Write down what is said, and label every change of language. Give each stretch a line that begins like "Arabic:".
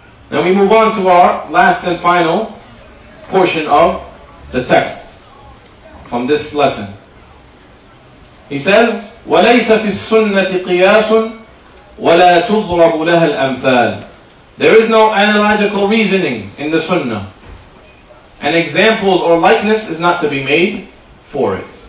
English: Now we move on to our last and final portion of the text from this lesson. He says,
Arabic: وَلَيْسَ فِي السُّنَّةِ قِيَاسٌ وَلَا تُضْرَبُ لَهَا الْأَمْثَالِ.
English: There is no analogical reasoning in the Sunnah. And examples or likeness is not to be made for it.